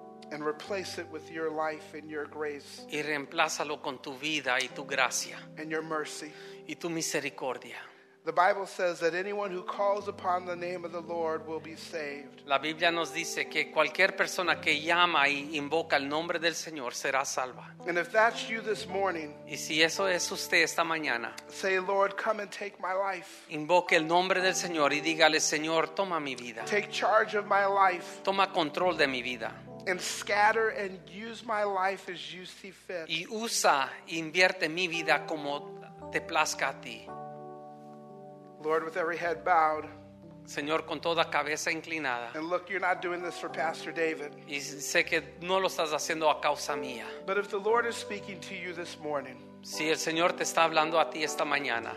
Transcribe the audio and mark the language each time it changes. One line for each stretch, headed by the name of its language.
English: And replace it with your life and your grace.
Spanish: Y reemplázalo con tu vida y tu gracia.
English: And your mercy.
Spanish: Y tu misericordia.
English: The Bible says that anyone who calls upon the name of the Lord will be saved.
Spanish: La Biblia nos dice que cualquier persona que llama y invoca el nombre del Señor será salva.
English: And if that's you this morning,
Spanish: y si eso es usted esta mañana,
English: say, Lord, come and take my life.
Spanish: Invoque el nombre del Señor y dígale, Señor, toma mi vida.
English: Take charge of my life.
Spanish: Toma control de mi vida.
English: And scatter and use my life as you see fit.
Spanish: Y usa, invierte mi vida como te plazca a ti.
English: Lord, with every head bowed.
Spanish: Señor, con toda cabeza inclinada.
English: And look, you're not doing this for Pastor David.
Spanish: Y sé que no lo estás haciendo a causa mía.
English: But if the Lord is speaking to you this morning.
Spanish: Si el Señor te está hablando a ti esta mañana.